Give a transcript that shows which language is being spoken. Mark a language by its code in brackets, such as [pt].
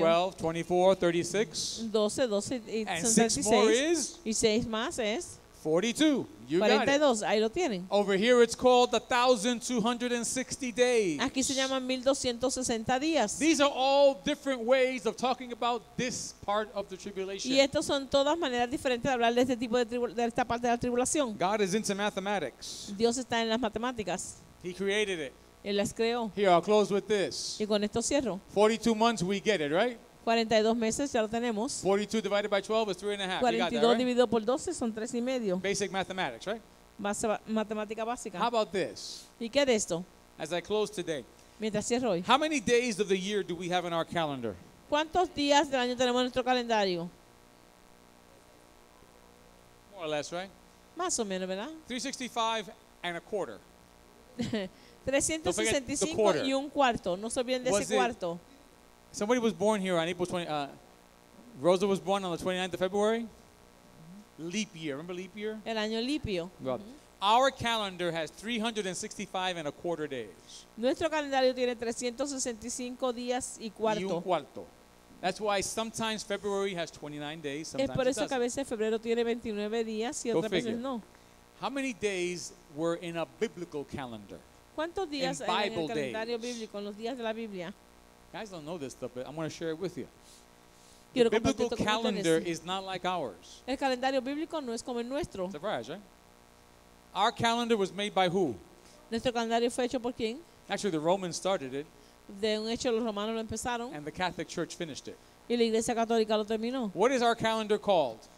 [en] 12, 24, 36. [es] 12 y 36. [en] And 6 more is? [es] Y 6 más es? [en] 42. You 42, got it. [es] Ahí lo tienen. [en] Over here it's called 1260 days. [es] Aquí se llaman 1260 días. [en] These are all different ways of talking about this part of the tribulation. [es] Y estos son todas maneras diferentes de hablar de este tipo de esta parte de la tribulación. [en] God is into mathematics. [es] Dios está en las matemáticas. [en] He created it. [es] Él las creó. [en] Here I'll close with this. [es] Y con esto cierro. [en] 42 months we get it, right? [es] 42 meses ya lo tenemos. [en] 42 divided by 12 is 3.5. 42 that, right? [es] Dividido por 12 son 3 y medio. [en] Basic mathematics, right? [es] Matemática básica. [en] How about this? [es] ¿Y qué de esto? [en] As I close today. [es] Mientras cierro hoy. [en] How many days of the year do we have in our calendar? [es] ¿Cuántos días del año tenemos en nuestro calendario? [en] More or less, right? [es] Más o menos, ¿verdad? [en] 365 and a quarter. [es] 365 y un cuarto. No se olviden de [en] was [es] ese cuarto. [en] It? Somebody was born here on April 20. Rosa was born on the 29th of February. Leap year. Remember leap year? [es] El año lipio. [en] Well, our calendar has 365 and a quarter days. [es] Nuestro calendario tiene 365 días y cuarto. Y un cuarto. [en] That's why sometimes February has 29 days. Sometimes [es] es por eso que a veces febrero tiene 29 días y otras veces no. [en] How many days were in a biblical calendar? [es] ¿Cuántos días en el calendario bíblico, en los días de la Biblia? [en] Guys don't know this stuff, but I'm going to share it with you. [es] Quiero [en] the biblical calendar is not like ours. [es] El calendario bíblico no es como el nuestro. [en] Surprise, right? Our calendar was made by who? [es] Nuestro calendario fue hecho por quién? [en] Actually, the Romans started it. [es] De un hecho, los romanos lo empezaron. [en] And the Catholic Church finished it. [es] Y la Iglesia Católica lo terminó. [en] What is our calendar called?